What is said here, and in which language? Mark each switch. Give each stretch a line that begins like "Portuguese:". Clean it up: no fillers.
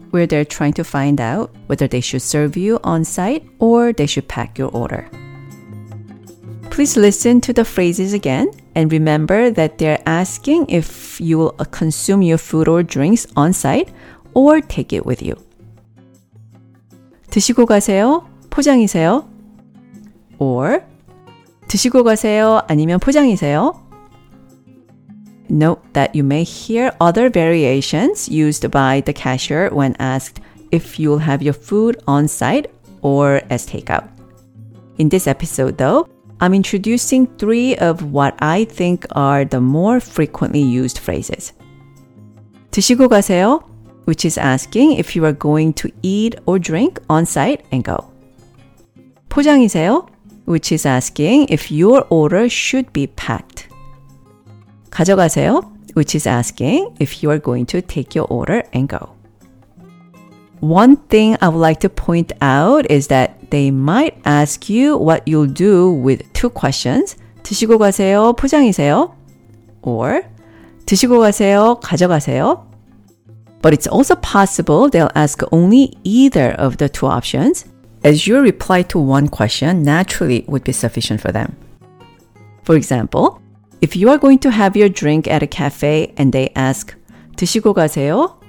English: where they're trying to find out whether they should serve you on site or they should pack your order. Please listen to the phrases again and remember that they're asking if you will consume your food or drinks on site or take it with you.
Korean: 드시고 가세요, 포장이세요?
English: Or
Korean: 드시고 가세요, 아니면 포장이세요?
English: Note that you may hear other variations used by the cashier when asked if you'll have your food on site or as takeout. In this episode, though, I'm introducing three of what I think are the more frequently used phrases.
Korean: 드시고 가세요,
English: which is asking if you are going to eat or drink on site and go.
Korean: 포장이세요,
English: which is asking if your order should be packed.
Korean: 가져가세요,
English: which is asking if you are going to take your order and go. One thing I would like to point out is that they might ask you what you'll do with two questions,
Korean: 드시고 가세요, 포장이세요?
English: Or
Korean: 드시고 가세요, 가져가세요?
English: But it's also possible they'll ask only either of the two options, as your reply to one question naturally would be sufficient for them. For example, if you are going to have your drink at a cafe and they ask
Korean: 드시고 가세요,